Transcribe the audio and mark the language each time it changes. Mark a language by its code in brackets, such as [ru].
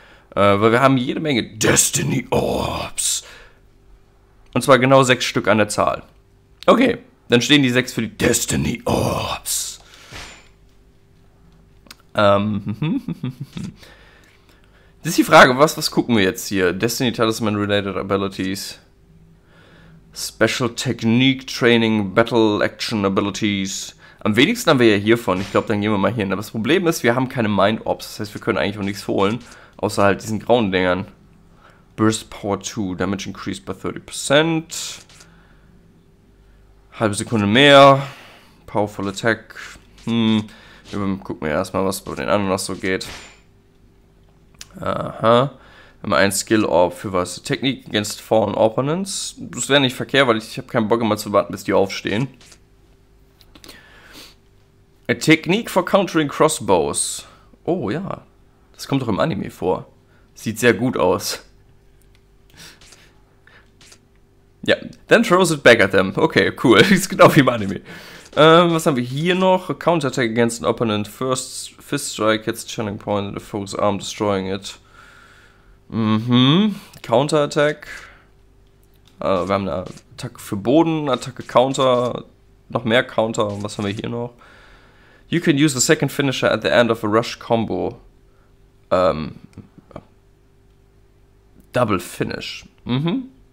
[de] Weil wir haben jede Menge Destiny Orbs. Und zwar genau 6 Stück an der Zahl. Okay, dann stehen die 6 für die Destiny Orbs. Das ist die Frage, was gucken wir jetzt hier? [en] Destiny Talisman Related Abilities. Special Technique Training Battle Action Abilities. [de] Am wenigsten haben wir ja hiervon. Ich glaube, dann gehen wir mal hin. Aber das Problem ist, wir haben keine Mind Orbs. Das heißt, wir können eigentlich auch nichts holen. Außer halt diesen grauen Dingern. [en] Burst Power 2. Damage Increased by 30%. [de] Halbe Sekunde mehr. [en] Powerful Attack. [de] Wir gucken wir erstmal, was bei den anderen noch so geht. Aha. Immer ein Skill Orb für was? [en] Technik against Fallen Opponents. [de] Das wäre nicht verkehrt, weil ich habe keinen Bock immer zu warten, bis die aufstehen. [en] A Technique for Countering Crossbows. [de] Oh ja. Das kommt doch im Anime vor. Sieht sehr gut aus. [en] Ja, then throws it back at them. [de] Okay, cool. Ist genau wie im Anime. Was haben wir hier noch? [en] A Counterattack against an opponent. First fist strike hits the channeling point. The foe's arm destroying it. Mhm. Counterattack. [de] Wir haben eine Attacke für Boden, Attacke Counter. Noch mehr Counter. Was haben wir hier noch? [en] You can use the second finisher at the end of a rush combo. Double finish. Mhm.